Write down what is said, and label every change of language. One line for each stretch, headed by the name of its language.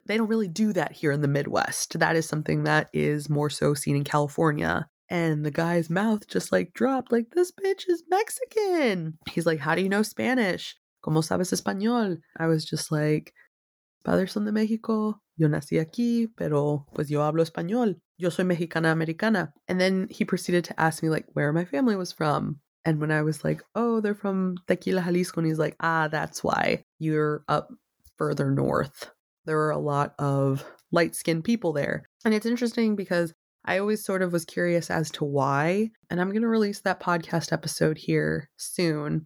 English: They don't really do that here in the Midwest. That is something that is more so seen in California. And the guy's mouth just like dropped, like, this bitch is Mexican. He's like, how do you know Spanish?
Spanish: ¿Cómo sabes español?
English: I was just like,
Spanish: padres son de México. Yo nací aquí, pero pues yo hablo español. Yo soy mexicana americana.
English: And then he proceeded to ask me like where my family was from. And when I was like, oh, they're from Tequila, Jalisco. And he's like, ah, that's why you're up further north. There are a lot of light skinned people there. And it's interesting because I always sort of was curious as to why, and I'm going to release that podcast episode here soon.